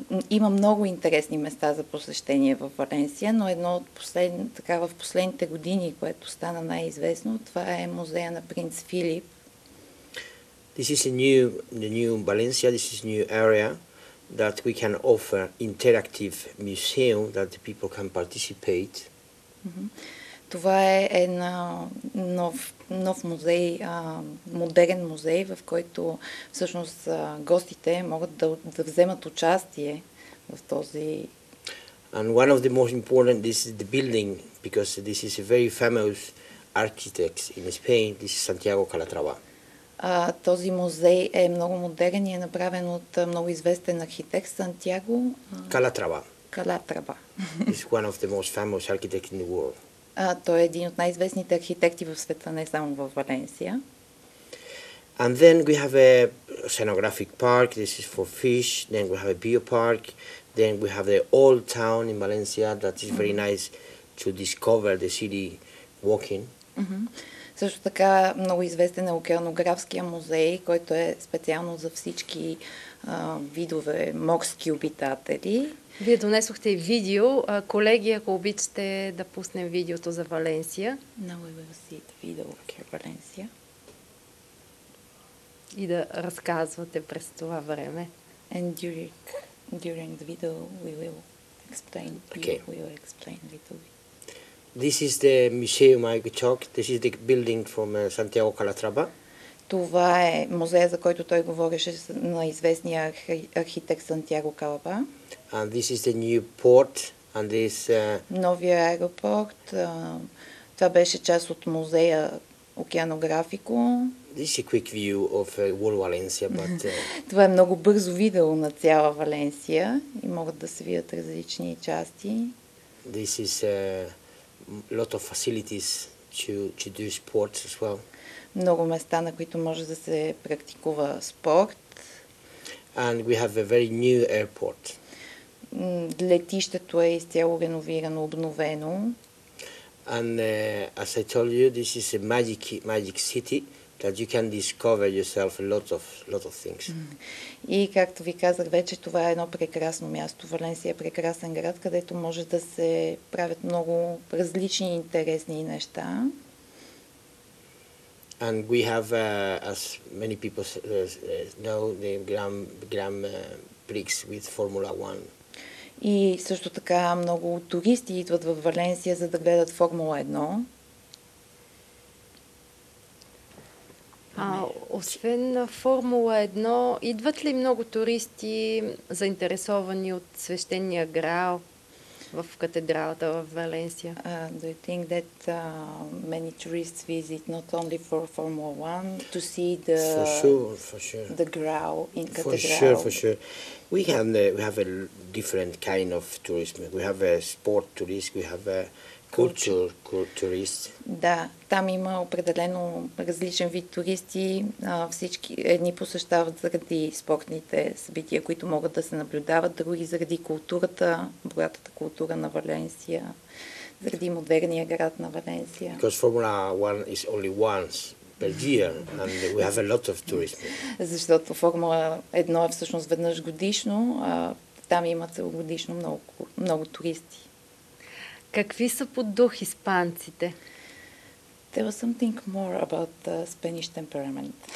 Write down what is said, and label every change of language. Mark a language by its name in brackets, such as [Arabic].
[Bulgarian] Има много интересни места за посещение в Валенсия, но едно от в последните години, което стана най-известно, това е музея на принц Филип. [English] This is a new, the new Valencia, this is a new area that we can offer interactive museum that the people can participate. [Bulgarian] Това е една нов музей, модерен музей, в който всъщност гостите могат да вземат участие в този. [English] And one of the most important, this is the building, because this is a very famous architect in Spain, this is Santiago Calatrava. [Bulgarian] Този музей е много модерен и е направен от много известен архитект Сантьяго Калатрава. Калатрава. [English] He's one of the most famous architects in the world. [Bulgarian] Той е един от най-известните архитекти в света, не само в Валенсия. [English] And then we have a oceanographic park, this is for fish, then we have a biopark, then we have the old town in Valencia that is very nice to discover the city walking. [Bulgarian] Също така много известен е океанографския музей, който е специално за всички видове морски обитатели. Вие донесохте видео. Колеги, ако обичате да пуснем видеото за Валенсия. [English] Now we will see the video of Valencia. [Bulgarian] И да разказвате през това време. [English] And during the video we will explain. Okay. We will explain little bit. This is the museum I talked. This is the building from Santiago Calatrava. [Bulgarian] Това е музея, за който той говореше, на известния архитект Сантьяго Калапа. [English] And this is the new port and this [Bulgarian] новия аеропорт. Това беше част от музея Океанографико. [English] This is a quick view of World Valencia, but [Bulgarian] това е много бързо видео на цяла Валенсия и могат да се видят различни части. [English] This is a lot of facilities to do sports as well. [Bulgarian] Много места, на които може да се практикува спорт. [English] And we have a very new airport. [Bulgarian] Летището е изцяло реновирано, обновено. [English] And as I told you, this is a magic city that you can discover yourself a lot of things. [Bulgarian] И както ви казах вече, това е едно прекрасно място. Валенсия е прекрасен град, където може да се правят много различни интересни неща. [English] And we have as many people know the Grand Prix with Formula 1. [Bulgarian] И също така много туристи идват в Валенсия, за да гледат Формула 1. Освен на Формула 1, идват ли много туристи, заинтересовани от свещения Граал в катедралата в Валенсия? [English] Do you think that many tourists visit not only for Formula 1 to see the for sure. The Graal in cathedral? For sure. We have a different kind of tourism. We have a sport tourist, we have a culture tourist. [Bulgarian] Да, там има определено различен вид туристи. Всички едни посещават заради спортните събития, които могат да се наблюдават, други заради културата, богатата култура на Валенсия, заради модерния град на Валенсия. [English] Because Formula 1 is only once per year and we have a lot of tourists. [Bulgarian] Защото Формула 1 е всъщност веднъж годишно, а там има целогодишно много туристи. Какви са по дух испанците? [English] Tell us something more about the Spanish temperament.